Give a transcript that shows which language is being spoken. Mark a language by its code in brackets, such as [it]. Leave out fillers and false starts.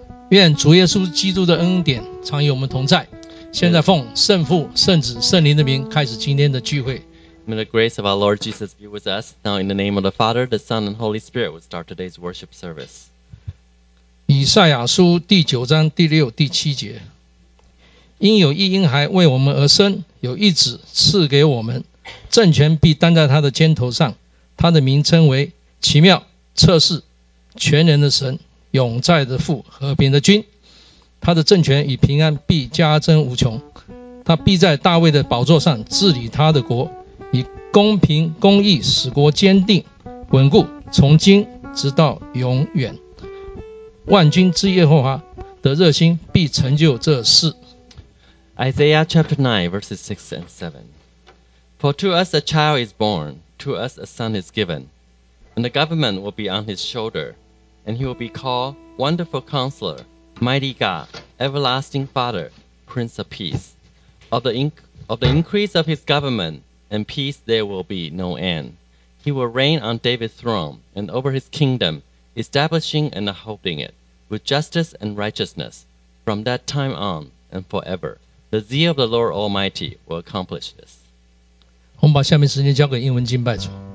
[zh] 愿主耶稣基督的恩典常与我们同在现在奉圣父圣子圣灵的名开始今天的聚会 [en] May the grace of our Lord Jesus be with us Now in the name of the Father, the Son, and Holy Spirit We start today's worship service [zh] 以赛亚书第九章第六第七节因有一婴孩为我们而生有一子赐给我们政权必担在他的肩头上他的名称为奇妙测试全能的神永在的父和平的君他的政权与平安必加增无穷他必在大卫的宝座上治理他的国以公平公义使国坚定稳固从今直到永远万军之耶和华的热心必成就这事 [en] Isaiah chapter 9 verses 6 and 7 For to us a child is bornTo us a son is given, and the government will be on his shoulder, and he will be called Wonderful Counselor, Mighty God, Everlasting Father, Prince of Peace. Of the increase of his government and peace there will be no end. He will reign on David's throne and over his kingdom, establishing and upholding it with justice and righteousness from that time on and forever. The zeal of the Lord Almighty will accomplish this. [zh] 我们把下面时间交给英文敬拜组。